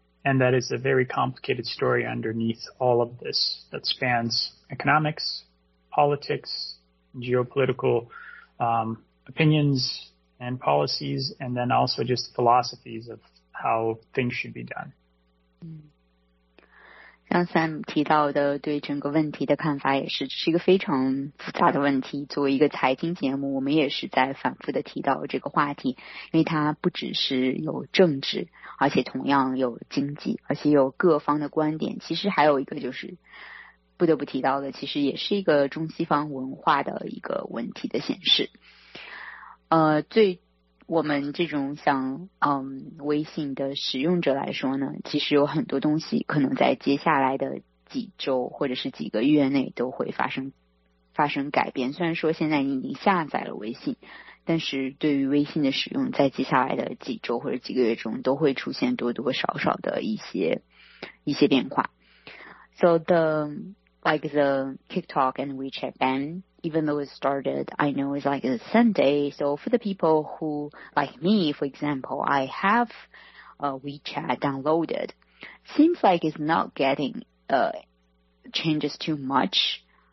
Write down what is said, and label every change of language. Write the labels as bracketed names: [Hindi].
[English] And that is a very complicated story underneath all of this that spans economics, politics, geopolitical,opinions and policies, and then also just philosophies of how things should be done. [Chinese] 刚 Sam 提到的对整个问题的看法也是，这是一个非常复杂的问题。作为一个财经节目，我们也是在反复的提到这个话题，因为它不只是有政治，而且同样有经济，而且有各方的观点。其实还有一个就是不得不提到的，其实也是一个中西方文化的一个问题的显示。最我们这种像微信的使用者来说呢，其实有很多东西可能在接下来的几周或者是几个月内都会发生改变。虽然说现在你已经下载了微信，但是对于微信的使用，在接下来的几周或者几个月中都会出现多多少少的一些变化。 [English] So the like the TikTok and WeChat ban. Even though it started, I know it's like a Sunday. So for the people who, like me, for example, I have WeChat downloaded. Seems like it's not getting changes too much.